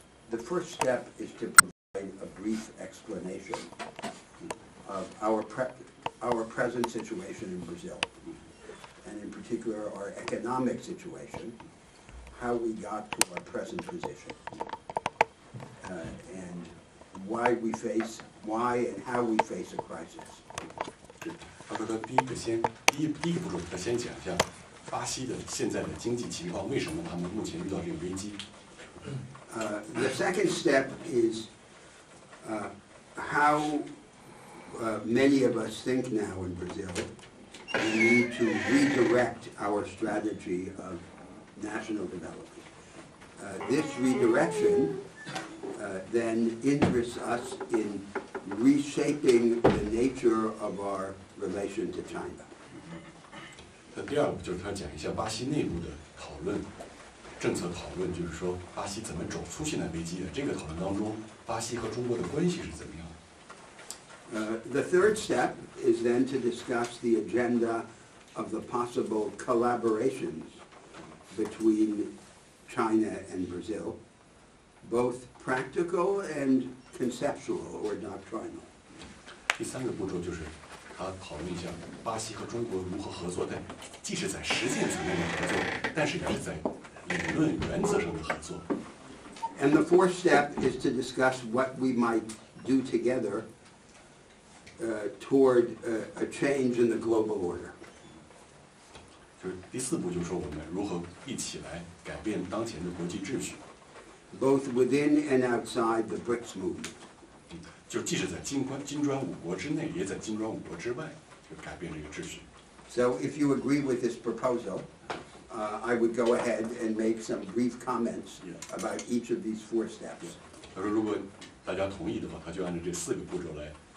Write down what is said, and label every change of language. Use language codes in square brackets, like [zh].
[en] The first step is to provide a brief explanation of our present situation in Brazil, and in particular our economic situation, how we got to our present position, and why and how we face a crisis. [zh] 对，他说第一个先第一个步骤，他先讲一下巴西的现在的经济情况，为什么他们目前遇到这个危机。 [en] The second step is how many of us think now in Brazil we need to redirect our strategy of national development. This redirection then interests us in reshaping the nature of our relation to China. [zh] 第二步就是他讲一下巴西内部的讨论，政策讨论，就是说巴西怎么走出现在危机的这个讨论当中，巴西和中国的关系是怎么样。 [en] The third step is then to discuss the agenda of the possible collaborations between China and Brazil, both practical and conceptual or doctrinal. [zh] 第三个步骤就是他讨论一下巴西和中国如何合作，但既是在实践层面的合作，但是也是在理论原则上的合作。 [en] And the fourth step is to discuss what we might do together toward a change in the global order. [zh] 就是第四步，就是说我们如何一起来改变当前的国际秩序。 [en] Both within and outside the BRICS movement. [zh] 就既是在金砖五国之内，也在金砖五国之外，就改变这个秩序。 [en] So if you agree with this proposal, I would go ahead and make some brief comments about each of these four steps. [zh] 他说如果大家同意的话，他就按照这四个步骤来。